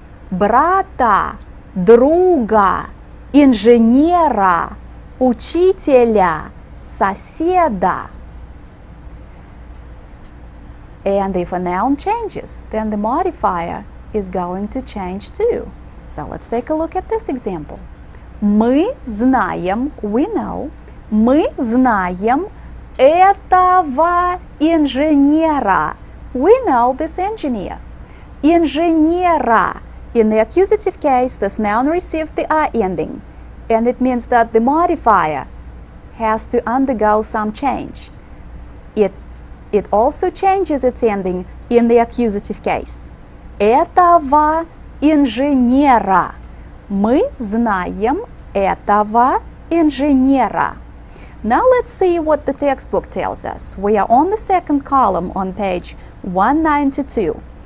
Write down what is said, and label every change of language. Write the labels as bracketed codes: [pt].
[ru] Брата, друга, инженера, учителя, соседа. [en] And if a noun changes, then the modifier is going to change too. So let's take a look at this example. [ru] Мы знаем, [en] we know, [ru] мы знаем этого инженера. [en] We know this engineer. Инженера. In the accusative case, this noun received the I ending, and it means that the modifier has to undergo some change. It also changes its ending in the accusative case. [ru] Этого инженера. Мы знаем этого инженера. [en] Now let's see what the textbook tells us. We are on the second column on page 192.